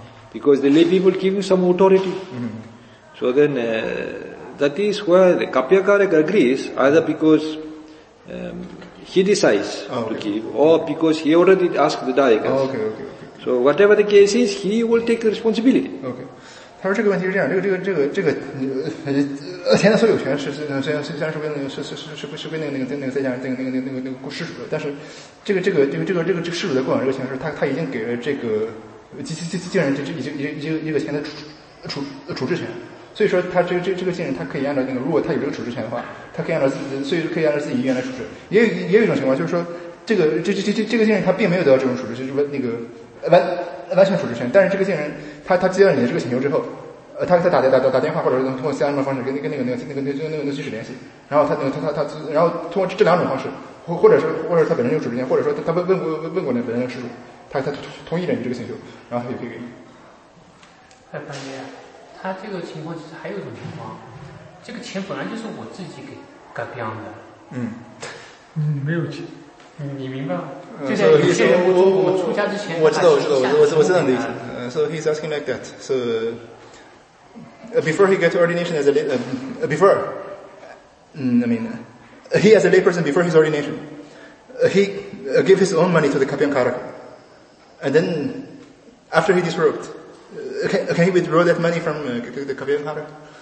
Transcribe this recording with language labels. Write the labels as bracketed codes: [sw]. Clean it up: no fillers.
[en] Because the lay people give you some authority. So then, that is why the Kapyakarika agrees, either because he decides to give, or because he already asked the daikas. So whatever the case is, he will take the responsibility. Okay. [zh] 他说这个问题是这样，这个钱的所有权虽然是归那个在家人那个失主的，但是这个失主的供养这个钱是他已经给了这个净人这一个钱的处置权，所以说他这个净人他可以按照那个，如果他有这个处置权的话，他可以按照自己意愿来处置。也有一种情况，就是说这个净人他并没有得到这种处置，就是那个。完全处置权，但是这个净人他接了你的这个请求之后，他打电话或者通过其他什么方式跟那个居士联系，然后他然后通过这两种方式，或者他本身有处置权，或者说他问过那本人的施主，他同意了你这个请求，然后他就可以给你。他这个情况其实还有一种情况，这个钱本来就是我自己给改变的。你没有钱。你明白吗？就像有些人我出家之前，我知道你的意思。 [en] So he's asking like that. So before he get ordination as a before, he as a layperson before his ordination, he gave his own money to the Kapyamkaraka, and then after he disrobed, can he withdraw that money from the Kapyamkaraka?